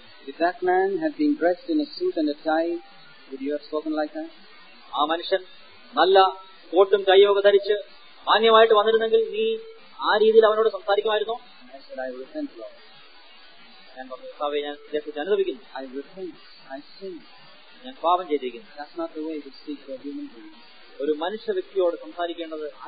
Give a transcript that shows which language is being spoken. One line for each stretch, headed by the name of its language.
English: If that man had been dressed in a suit and a tie, would you have spoken like that?
Malayalam: ആ മനുഷ്യൻ നല്ല കോട്ടും കയ്യൊക്കെ ധരിച്ച് മാന്യമായിട്ട് വന്നിരുന്നെങ്കിൽ നീ ആ രീതിയിൽ അവനോട് സംസാരിക്കുമായിരുന്നോ?
English: I said, I repent, Lord.
Malayalam: ഞാൻ പറഞ്ഞു, കർത്താവേ, ഞാൻ ദേഹത്തെ അനുഭവിക്കുന്നു.
English: I repent. I sin.
Malayalam: ഞാൻ പാപം ചെയ്തിരിക്കുന്നു.
English: That's not the way to speak to a human being.
Malayalam: ഒരു മനുഷ്യ വ്യക്തിയോട് സംസാരിക്കേണ്ടത് ആ